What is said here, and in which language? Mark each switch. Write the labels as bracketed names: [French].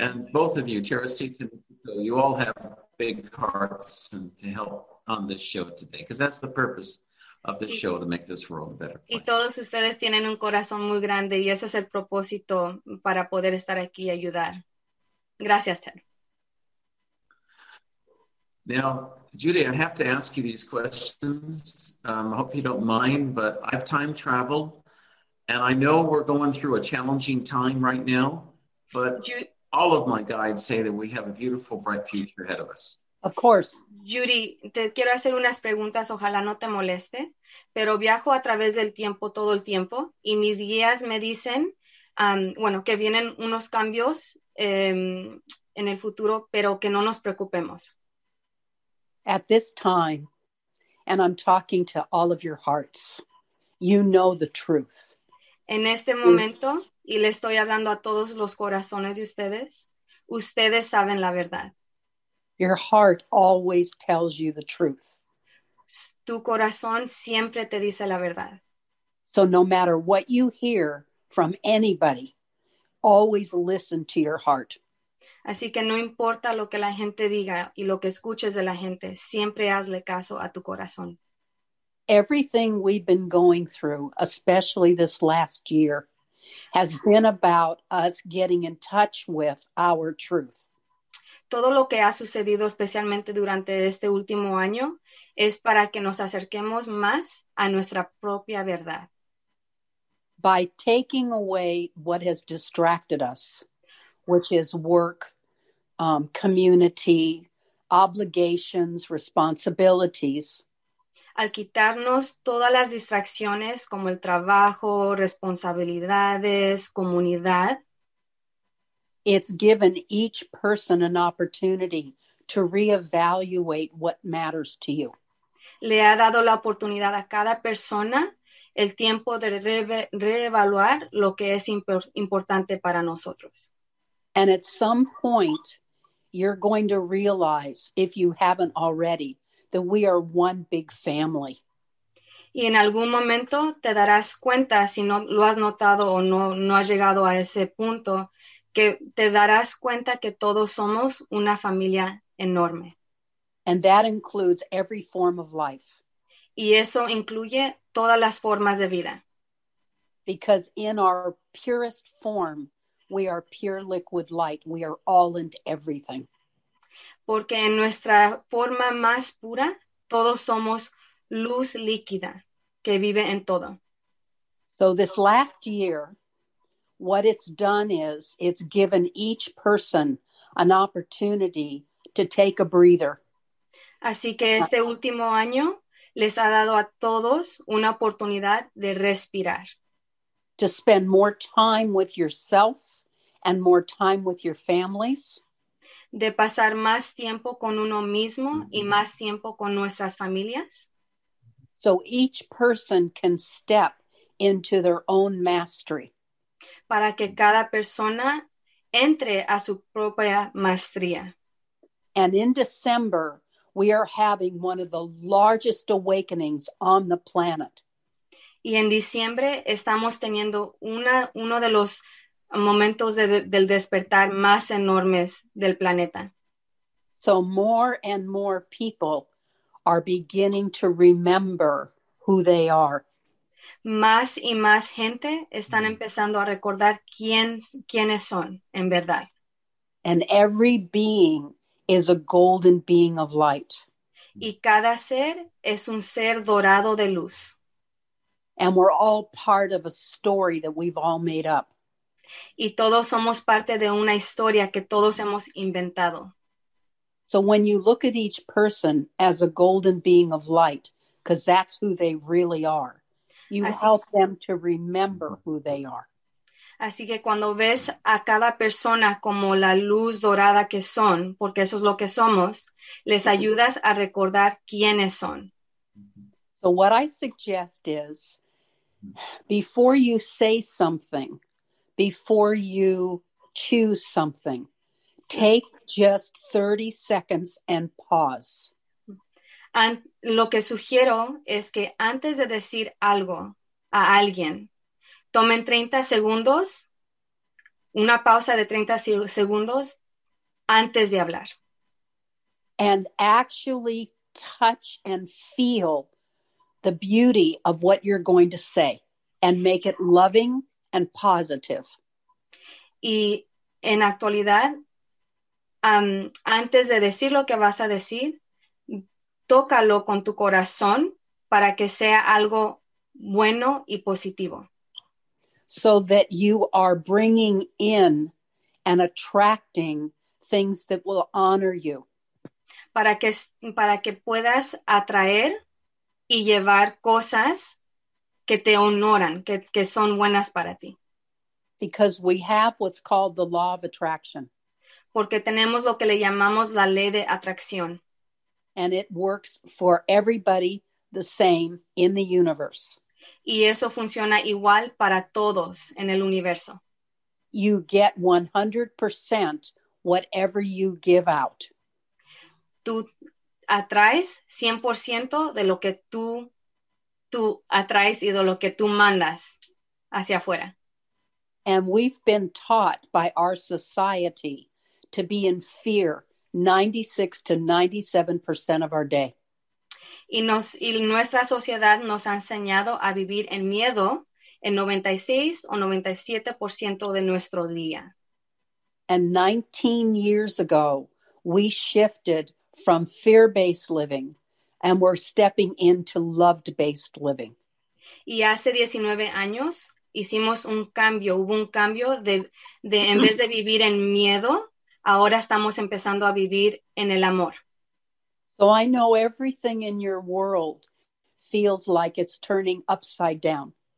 [English] And both of you, Teresita, you all have big hearts and to help on this show today, because that's the purpose of this show, to make this world a better place. [Spanish] Y todos ustedes tienen un corazón muy grande y ese es el propósito para poder estar aquí y ayudar. Gracias, Ted. [English] Now, Judy, I have to ask you these questions. I hope you don't mind, but I've time traveled and I know we're going through a challenging time right now. But all of my guides say that we have a beautiful, bright future ahead of us. Of course. [Spanish] Judy, te quiero hacer unas preguntas, ojalá no te moleste, pero viajo a través del tiempo todo el tiempo y mis guías me dicen, que vienen unos cambios en el futuro, pero que no nos preocupemos. [English] At this time, and I'm talking to all of your hearts, you know the truth. [Spanish] En este momento, y le estoy hablando a todos los corazones de ustedes, ustedes saben la verdad. [English] Your heart always tells you the truth. [Spanish] Tu corazón siempre te dice la verdad. [English] So no matter what you hear from anybody, always listen to your heart. [Spanish] Así que no importa lo que la gente diga y lo que escuches de la gente, siempre hazle caso a tu corazón. [English] Everything we've been going through, especially this last year, has been about us getting in touch with our truth. [Spanish] Todo lo que ha sucedido, especialmente durante este último año, es para que nos acerquemos más a nuestra propia verdad. [English] By taking away what has distracted us, which is work, community, obligations, responsibilities, [Spanish] al quitarnos todas las distracciones como el trabajo, responsabilidades, comunidad. [English] it's given each person an opportunity to reevaluate what matters to you. [Spanish] Le ha dado la oportunidad a cada persona el tiempo de reevaluar lo que es importante para nosotros. [English] And at some point, you're going to realize, if you haven't already, that we are one big family. [Spanish] Y en algún momento te darás cuenta, si no lo has notado o no has llegado a ese punto, que te darás cuenta que todos somos una familia enorme. [English] And that includes every form of life. [Spanish] Y eso incluye todas las formas de vida. [English] Because in our purest form, we are pure liquid light. We are all and everything. [Spanish] Porque en nuestra forma más pura, todos somos luz líquida que vive en todo. [English] So this last year, what it's done is it's given each person an opportunity to take a breather. [Spanish] Así que este último año les ha dado a todos una oportunidad de respirar. [English] To spend more time with yourself and more time with your families. [Spanish] De pasar más tiempo con uno mismo y más tiempo con nuestras familias. [English] So each person can step into their own mastery. [Spanish] Para que cada persona entre a su propia maestría. [English] And in December, we are having one of the largest awakenings on the planet. [Spanish] Y en diciembre estamos teniendo uno de los momentos del despertar más enormes del planeta. [English] So more and more people are beginning to remember who they are. [Spanish] Más y más gente están empezando a recordar quiénes son en verdad. [English] And every being is a golden being of light. [Spanish] Y cada ser es un ser dorado de luz. [English] And we're all part of a story that we've all made up. [Spanish] Y todos somos parte de una historia que todos hemos inventado. [English] So when you look at each person as a golden being of light, because that's who they really are, you [Spanish] así, [English] help them to remember who they are. [Spanish] Así que cuando ves a cada persona como la luz dorada que son, porque eso es lo que somos, les ayudas a recordar quiénes son. [English] So what I suggest is, before you say something, before you choose something, take just 30 seconds and pause. [Spanish] And lo que sugiero es que antes de decir algo a alguien, tomen 30 segundos, una pausa de 30 segundos antes de hablar. [English] And actually touch and feel the beauty of what you're going to say and make it loving and positive. [Spanish] Y en actualidad, antes de decir lo que vas a decir, tócalo con tu corazón para que sea algo bueno y positivo. [English] So that you are bringing in and attracting things that will honor you. [Spanish] Para que puedas atraer y llevar cosas que te honoran, que son buenas para ti. [English] Because we have what's called the law of attraction. [Spanish] Porque tenemos lo que le llamamos la ley de atracción. [English] And it works for everybody the same in the universe. [Spanish] Y eso funciona igual para todos en el universo. [English] You get 100% whatever you give out. [Spanish] Tú atraes 100% de lo que tú atraes y de lo que tú mandas hacia afuera. [English] And we've been taught by our society to be in fear 96% to 97% of our day. [Spanish] Y nuestra sociedad nos ha enseñado a vivir en miedo en 96% o 97% de nuestro día. [English] And 19 years ago, we shifted from fear-based living and we're stepping into loved-based living. [Spanish] Y hace 19 años, hicimos un cambio, hubo un cambio de en vez de vivir en miedo, ahora estamos empezando a vivir en el amor. [English] So I know everything in your world feels like it's turning upside down.